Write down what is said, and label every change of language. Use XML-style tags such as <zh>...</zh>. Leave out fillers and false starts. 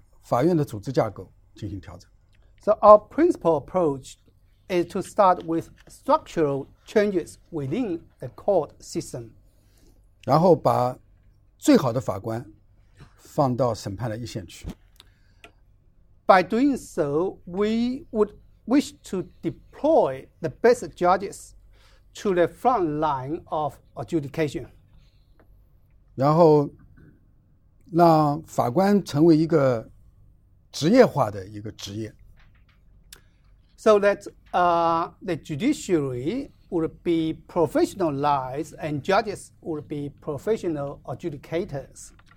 <zh>那贵州来说，我们的这次改革的重点就是把法院的组织架构进行调整。</zh> <en>So our principal approach is to start with structural changes within the court system.</en> <zh>然后把 最好的法官放到审判的一线去。</zh> <en>By doing so, we would wish to deploy the best judges to the front line of adjudication.</en> <zh>然后让法官成为一个职业化的一个职业。</zh> <en>So that the judiciary would be professionalized and judges would be professional adjudicators.</en>